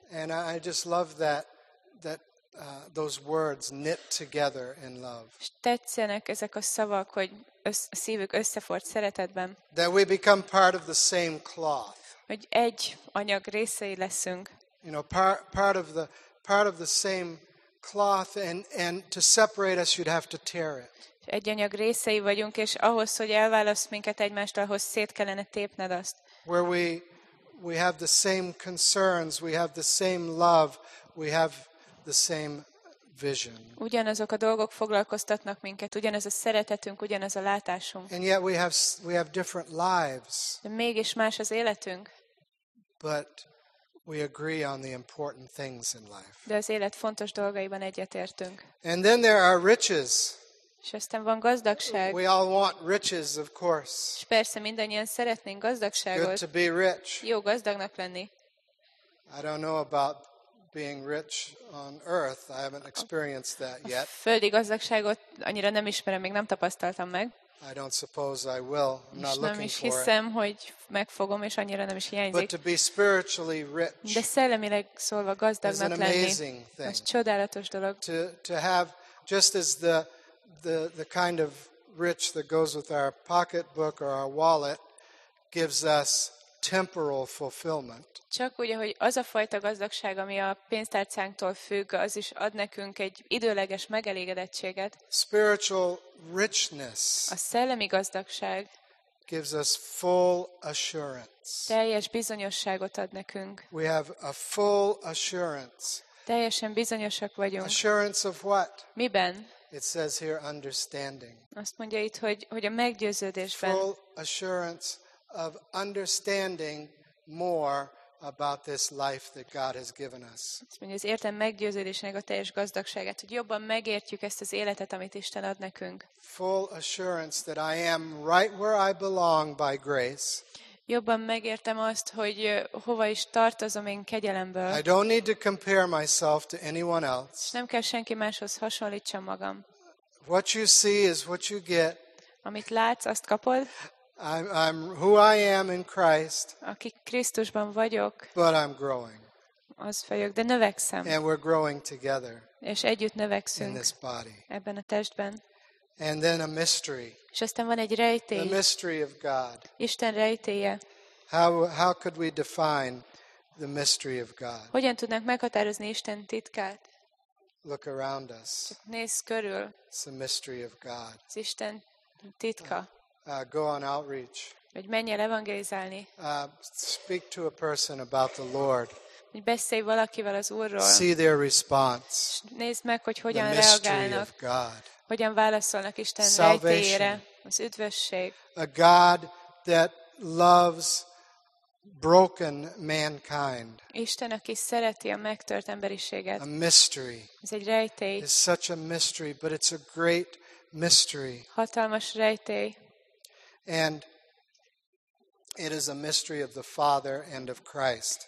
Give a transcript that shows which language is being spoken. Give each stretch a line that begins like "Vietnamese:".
English: And I just love that those words knit together in love.
Hungarian: Tetszenek ezek a szavak, hogy a szívük összeforrt szeretetben.
English: That we become part of the same cloth.
Hungarian: Hogy egy anyag részei leszünk.
English: You know, part of the same cloth, and to separate us you'd have to tear it.
Hungarian: Egy anyag részei vagyunk, és ahhoz, hogy elválaszd minket egymástól, ahhoz szét kellene tépned azt.
English: Where we have the same concerns, we have the same love, we have the same vision.
Hungarian: Ugyanazok a dolgok foglalkoztatnak minket, ugyanaz a szeretetünk, ugyanaz a látásunk.
English: And yet we have different lives.
Hungarian: De mégis más az életünk.
English: But we agree on the important things in life.
Hungarian: De az élet fontos dolgaiban egyetértünk.
English: And then there are riches.
Hungarian: És aztán van gazdagság.
English: We all want riches, of course.
Hungarian: És persze mindannyian szeretnénk gazdagságot.
English: Good to be rich.
Hungarian: Jó gazdagnak lenni.
English: I don't know about being rich on earth. I haven't experienced that yet.
Hungarian: Földi gazdagságot annyira nem ismerem, még nem tapasztaltam meg.
English: I don't suppose I will. I'm not looking for it.
Hungarian: Nem is hiszem, hogy megfogom, és annyira nem is hiányzik.
English: But to be spiritually rich.
Hungarian: De szellemileg szólva gazdagnak lenni. Ez csodálatos dolog.
English: To have just as the kind of rich that goes with our pocketbook or our wallet gives us temporal fulfillment.
Hungarian: Csak úgy, hogy az a fajta gazdagság, ami a pénztárcánktól függ, az is ad nekünk egy időleges megelégedettséget.
English: Spiritual richness.
Hungarian: A szellemi gazdagság
English: gives us full assurance.
Hungarian: Teljes bizonyosságot ad nekünk.
English: We have a full assurance.
Hungarian: Teljesen bizonyosak vagyunk.
English: Assurance of what?
Hungarian: Miben?
English: It says here understanding.
Hungarian: Azt mondja itt, hogy a meggyőződésben.
English: Full assurance of understanding more about this life that God has given us.
Hungarian: Azt mondja, az értem meggyőződésnek a teljes gazdagságát, hogy jobban megértjük ezt az életet, amit Isten ad nekünk.
English: Full assurance that I am right where I belong by grace.
Hungarian: Jobban megértem azt, hogy hova is tartozom én kegyelemből.
English: I don't need to compare myself to anyone else.
Hungarian: Nem kell senki máshoz hasonlítsam magam.
English: What you see is what you get.
Hungarian: Amit látsz, azt kapod.
English: I'm who I am in Christ.
Hungarian: Aki Krisztusban vagyok.
English: But I'm growing.
Hungarian: Az vagyok, de növekszem.
English: And we're growing together.
Hungarian: És együtt növekszünk.
English: In this body.
Hungarian: Ebben a testben.
English: And then a mystery.
Hungarian: És aztán van egy rejtély.
English: The mystery of God.
Hungarian: Isten rejtélye.
English: How could we define the mystery of God?
Hungarian: Hogyan tudnánk meghatározni Isten titkát?
English: Look around us.
Hungarian: Nézz körül.
English: It's the mystery of God.
Hungarian: Az Isten titka.
English: Go on outreach.
Hungarian: Vagy menj el evangelizálni.
English: Speak to a person about the Lord.
Hungarian: Hogy beszélj valakivel az Úrról.
English: See their response.
Hungarian: Nézd meg, hogy hogyan reagálnak. Hogyan válaszolnak Isten rejtélyére, az üdvösség.
English: A God that loves broken mankind.
Hungarian: Isten, aki szereti a megtört emberiséget.
English: A mystery.
Hungarian: Ez egy rejtély.
English: It's such a mystery, but it's a great mystery.
Hungarian: Hatalmas rejtély.
English: And it is a mystery of the Father and of Christ.